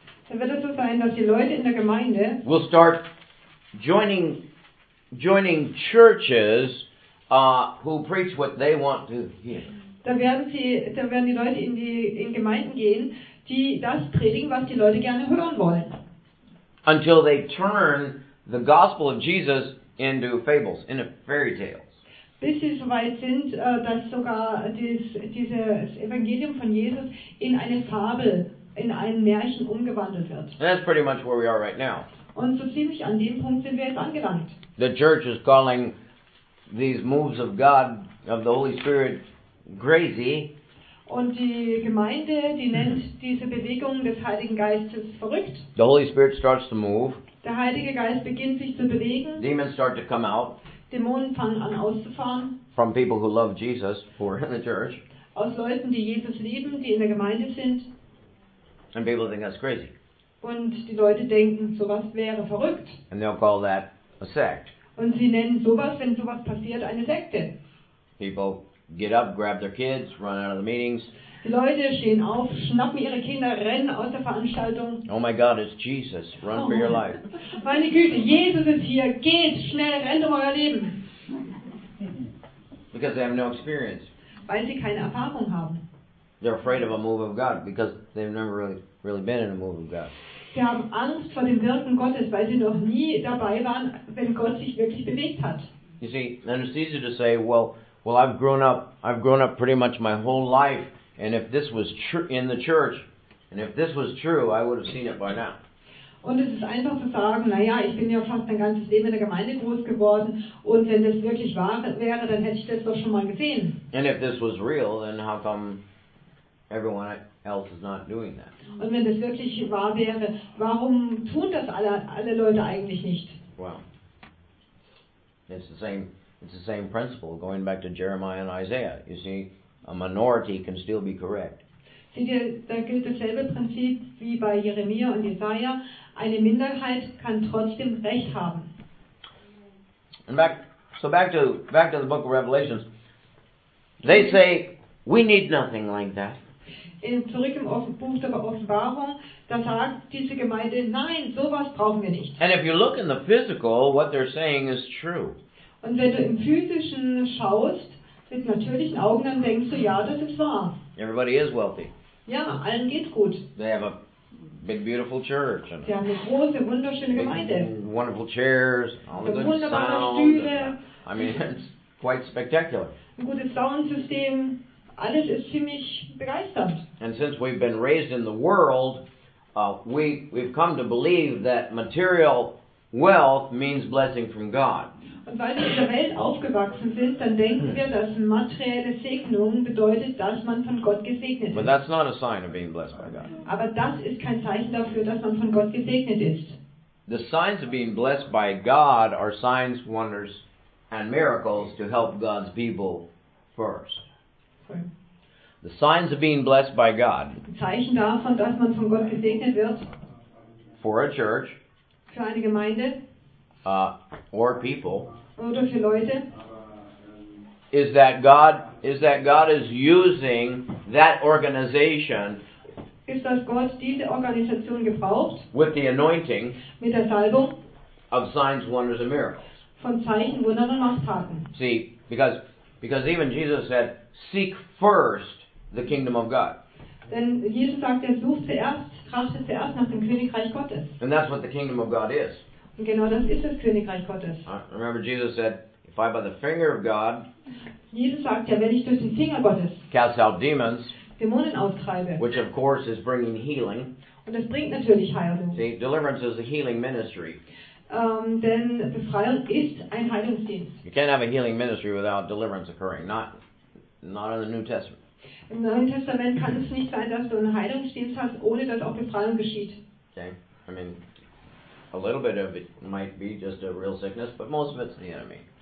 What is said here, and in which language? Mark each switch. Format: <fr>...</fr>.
<de>dann wird es so sein, dass die Leute in der Gemeinde</de> <en>will start joining churches who preach what they want to hear.</en> <de>Dann werden die Leute in Gemeinden gehen, die das predigen, was die Leute gerne hören wollen.</de> <en>Until they turn the gospel of Jesus into fables, into fairy tales.</en> <de>Bis sie so weit sind, dass sogar dieses Evangelium von Jesus in eine Fabel, in ein Märchen umgewandelt wird.</de> <en>And that's pretty much where we are right now.</en> <de>Und so ziemlich an dem Punkt sind wir jetzt angelangt.</de> <en>The church is calling these moves of God, of the Holy Spirit, crazy.</en> <de>Und die Gemeinde, die nennt diese Bewegung des Heiligen Geistes verrückt.</de> <en>The Holy Spirit starts to move.</en> <de>Der Heilige Geist beginnt sich zu bewegen.</de> <en>Demons start to come out.</en> <de>Dämonen fangen an auszufahren.</de> <en>From people who love Jesus, who are in the church.</en> <de>Aus Leuten, die Jesus lieben, die in der Gemeinde sind.</de> <en>And people think that's crazy.</en> <de>Und die Leute denken, sowas wäre verrückt.</de> <en>And they'll call that a sect.</en> <de>Und sie nennen sowas, wenn sowas passiert, eine Sekte.</de> <en>People get up, grab their kids, run out of the meetings.</en> <de>Die Leute stehen auf, schnappen ihre Kinder, rennen aus der Veranstaltung.</de> <en>Oh my God, it's Jesus. Run for your life.</en> <de>Meine Güte, Jesus ist hier. Geht schnell, rennt um euer Leben.</de> <en>Because they have no experience.</en> <de>Weil sie keine Erfahrung haben.</de> <en>They're afraid of a move of God because they've never really been in a move of God.</en> <de>Sie haben Angst vor dem Wirken Gottes, weil sie noch nie dabei waren, wenn Gott sich wirklich bewegt hat.</de> <en>You see, and it's easy to say, well, I've grown up pretty much my whole life, and if this was in the church, and if this was true, I would have seen it by now.</en> <de>Und es ist einfach zu sagen, naja, ich bin ja fast mein ganzes Leben in der Gemeinde groß geworden, und wenn das wirklich wahr wäre, dann hätte ich das doch schon mal gesehen.</de> <en>And if this was real, then how come everyone else is not doing that?</en> <de>Und wenn das wirklich wahr wäre, warum tun das alle Leute eigentlich nicht?</de> <en>Well, it's the same principle going back to Jeremiah and Isaiah. You see, a minority can still be correct.</en> <de>Seht ihr, da gilt dasselbe Prinzip wie bei Jeremia und Jesaja. Eine Minderheit kann trotzdem Recht haben.</de> <en>And back to the book of Revelations. They say, we need nothing like that.</en> <de>Zurück im Buch der Offenbarung, da sagt diese Gemeinde, nein, sowas brauchen wir nicht.</de> <en>And if you look in the physical, what they're saying is true.</en> <de>Und wenn du im Physischen schaust, mit natürlichen Augen, dann denkst du, ja, das ist wahr.</de> <en>Everybody is wealthy.</en> <de>Ja, allen geht's gut.</de> <en>They have a big, beautiful church.</en> <de>Sie haben eine große, wunderschöne Gemeinde.</de> <en>Wonderful chairs, all the good sound. I mean, it's quite spectacular.</en> <de>Ein gutes Soundsystem. Alles ist ziemlich begeistert.</de> <en>And since we've been raised in the world, we've come to believe that material wealth means blessing from God.</en> <de>Und weil wir in der Welt aufgewachsen sind, dann denken wir, dass materielle Segnung bedeutet, dass man von Gott gesegnet ist.</de> <en>But that's not a sign of being blessed by God.</en> <de>Aber das ist kein Zeichen dafür, dass man von Gott gesegnet ist.</de> <en>The signs of being blessed by God are signs, wonders, and miracles to help God's people first. The signs of being blessed by God.</en> <de>Zeichen davon, dass man von Gott gesegnet wird.</de> <en>For a church.</en> <de>Für eine Gemeinde.</de> <en>Or people.</en> <de>Oder für Leute.</de> <en>Is that God is using that organization.</en> <de>Ist das Gott diese Organisation gebraucht?</de> <en>With the anointing.</en> <de>Mit der Salbung.</de> <en>Of signs, wonders, and miracles.</en> <de>Von Zeichen, Wundern und Machttaten.</de> <en>See, because even Jesus said, seek first the kingdom of God.</en> <de>Denn Jesus sagt, er sucht zuerst, trachtet zuerst nach dem Königreich Gottes.</de> <en>And that's what the kingdom of God is.</en> <de>Und genau das ist das Königreich Gottes.</de> <en>Remember Jesus said, if I by the finger of God,</en> <de>Jesus sagt ja, wenn ich durch den Finger Gottes</de> <en>cast out demons,</en> <de>Dämonen austreibe,</de> <en>which of course is bringing healing,</en> <de>und das bringt natürlich Heilung.</de> <en>See, deliverance is a healing ministry.</en> <de>Denn Befreiung ist ein Heilungsdienst.</de> <en>You can't have a healing ministry without deliverance occurring. Not in the New Testament.</en> <de>Im Neuen Testament kann es nicht sein, dass du einen Heilungsdienst hast, ohne dass auch Befreiung geschieht.</de> <en>Okay, I mean, a little bit of it might be just a real sickness, but most of it's the enemy.</en>